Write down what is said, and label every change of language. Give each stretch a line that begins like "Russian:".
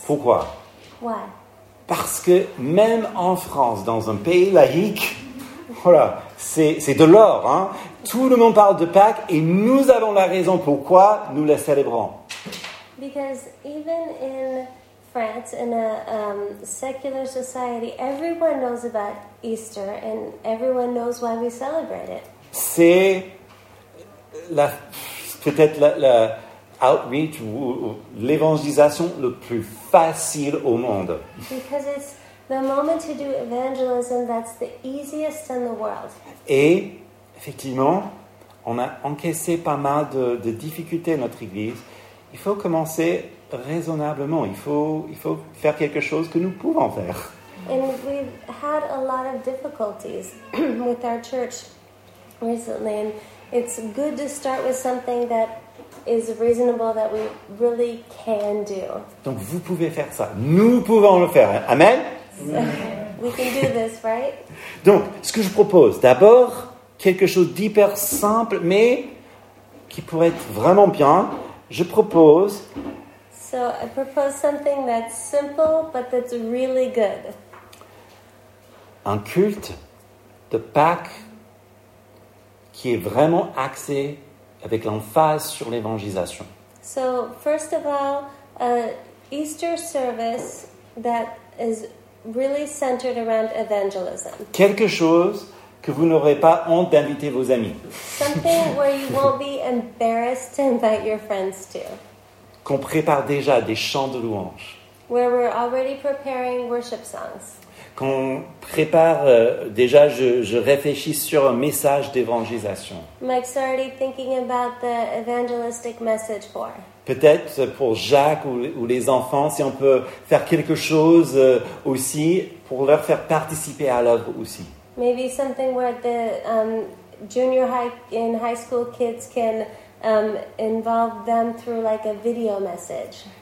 French: Pourquoi?
English: Why?
French: Parce que même en France, dans un pays laïque, voilà, c'est de l'or, hein? Tout le monde parle de Pâques et nous avons la raison pourquoi nous la célébrons.
English: Because even in France, in a secular society, everyone knows about Easter and everyone knows why we celebrate it.
French: C'est la, peut-être la outreach ou l'évangélisation le plus facile au monde.
English: Because it's the moment to do evangelism, that's the easiest in the world.
French: Et effectivement, on a encaissé pas mal de difficultés à notre église. Il faut commencer raisonnablement. Il faut faire quelque chose que nous pouvons faire.
English: And we've had a lot of difficulties with our church recently. And it's good to start with something that is reasonable, that we really can do.
French: Donc vous pouvez faire ça. Nous pouvons le faire. Amen.
English: So, we can do this, right?
French: Donc, ce que je propose, d'abord, quelque chose d'hyper simple, mais qui pourrait être vraiment bien. Je propose.
English: So, I propose something that's simple, but that's really good.
French: Un culte de Pâques qui est vraiment axé avec l'emphase sur l'évangélisation.
English: So, first of all, an Easter service that is really centered around evangelism.
French: Quelque chose que vous n'aurez pas honte d'inviter vos amis.
English: Something where you won't be embarrassed to invite your friends to.
French: Qu'on prépare déjà des chants de louange.
English: Where we're already preparing worship songs.
French: Qu'on prépare déjà, je réfléchis sur un message d'évangélisation.
English: Mike's already thinking about the evangelistic message for.
French: Peut-être pour Jacques ou les enfants, si on peut faire quelque chose aussi pour leur faire participer à l'œuvre aussi.
English: Maybe something where the junior high in high school kids can involve them through like a video message.